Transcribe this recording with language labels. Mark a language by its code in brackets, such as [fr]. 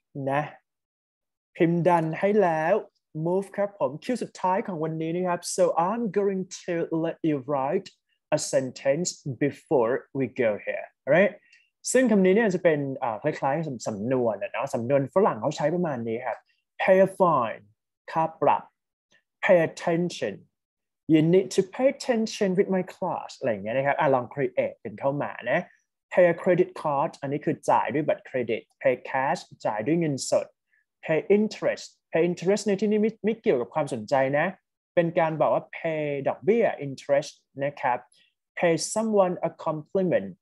[th] นะพิมพ์ดันให้แล้ว move ครับผมคิวสุดท้ายของวันนี้นะครับ [en] so I'm going to let you write a sentence before we go here right [th] ซึ่งคำนี้เนี่ยจะเป็นคล้ายๆสำนวนนะสำนวนฝรั่งเขาใช้ประมาณนี้ครับ [en] pay a fine [th] ค่าปรับ [en] Pay attention. You need to pay attention with my class. [th] อะไรเงี้ยนะครับลอง create กันเข้ามานะ [en] Pay a credit card. [th] อันนี้คือจ่ายด้วยบัตรเครดิต [en] Pay cash. [th] จ่ายด้วยเงินสด [en] Pay interest. Pay interest [th] ในที่นี้ไม่เกี่ยวกับความสนใจนะเป็นการบอกว่า pay ดอกเบี้ย interest นะครับ [en] Pay someone a compliment.